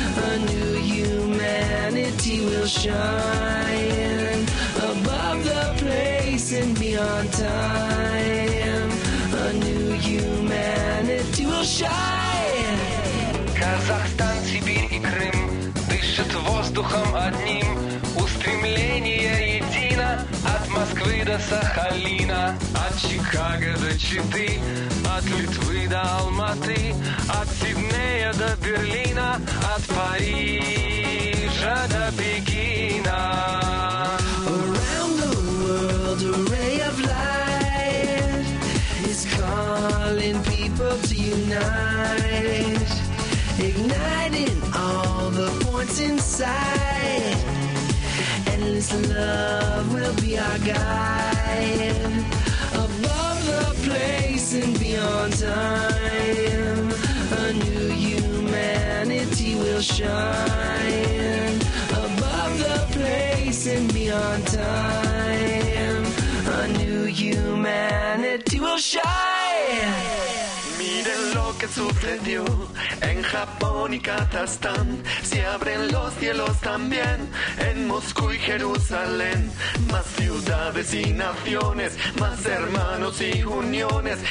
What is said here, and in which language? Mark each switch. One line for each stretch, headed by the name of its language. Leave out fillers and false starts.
English: A new humanity will shine, above the place and beyond time. A new humanity will shine.
Russian: Kazakhstan, Sibir and Krim дышат воздухом одним. Устремление едино от Москвы до Сахалина, от Чикаго до Читы, от Литвы до Алматы, от Сиднея до Берлина, от Парижа до Пекина.
English: Around the world a ray of light is calling people to unite, igniting all the points inside. Endless love will be our guide, above the place and beyond time. A new humanity will shine, above the place and beyond time. A new humanity will shine.
Spanish: Miren lo que sucedió en Japón y Kazajstán. Se abren los cielos también en Moscú y Jerusalén. Más ciudades y naciones, más hermanos y uniones.